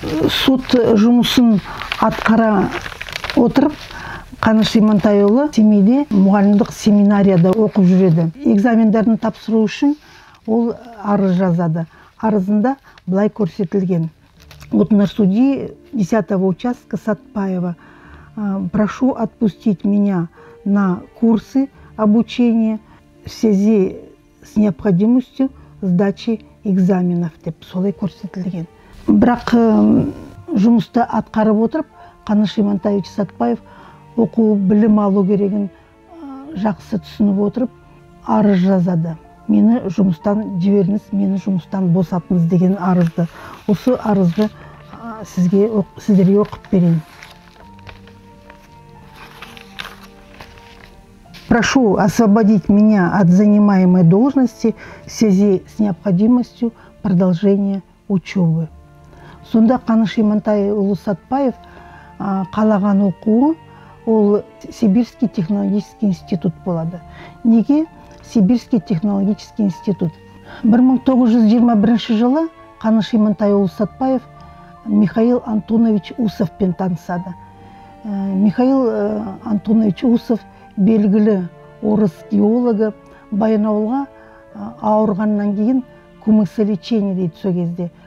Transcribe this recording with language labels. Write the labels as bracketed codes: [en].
[kk] Сот жұмысын атқара отырып Қаныш Имантайұлы Семейде мұғалімдік семинарияда оқып жүреді. Экзамендерін тапсыру үшін ол арыз жазады. Арызында былай көрсетілген. [ru] Отнар судьи 10-го участка Сатпаева. Прошу отпустить меня на курсы обучения в связи с необходимостью сдачи экзаменов [kk] деп солай көрсетілген. Бірақ жұмысты атқарып отырып Қаныш Имантайұлы Сатпаев оқу білім алу керегін жақсы түсініп отырып арыз жазады. Мені жұмыстан жіберіңіз, мені жұмыстан босатыңыз деген арызды. Осы арызды сіздерге оқып берейін. [ru] Прошу освободить меня от занимаемой должности в связи с необходимостью продолжения учебы. [kk] Сонда Қаныш Имантайұлы Сатпаев қалаған оқуы ол Сибирский технологический институт болады. Неге Сибирский технологический институт? 1921 жылы Қаныш Имантайұлы Сатпаев Михаил Антонович Усовпен танысады. Михаил Антонович Усов белгілі орыс геологы, Баянауылға ауырғаннан кейін күмісі лечение дейді сол кезде.